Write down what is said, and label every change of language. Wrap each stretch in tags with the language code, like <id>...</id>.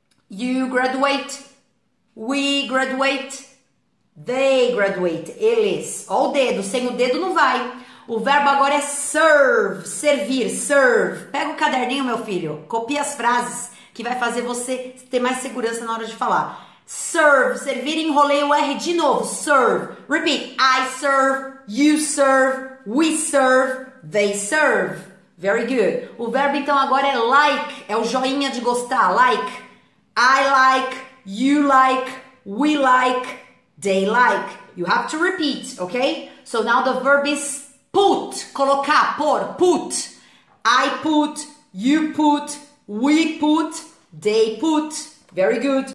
<en>You graduate, we graduate, they graduate, eles.</en> <pt>Olha o dedo, sem o dedo não vai. O verbo agora é serve, servir, serve. Pega o caderninho, meu filho, copia as frases que vai fazer você ter mais segurança na hora de falar. Serve, servir, enrolei o R de novo.</pt> <en>Serve, repeat. I serve, you serve, we serve, they serve. Very good.</en> <pt>O verbo então agora é like, é o joinha de gostar, like.</pt> <en>I like, you like, we like, they like. You have to repeat, okay? So now the verb is put, colocar, pôr, put. I put, you put, we put, they put. Very good.</en>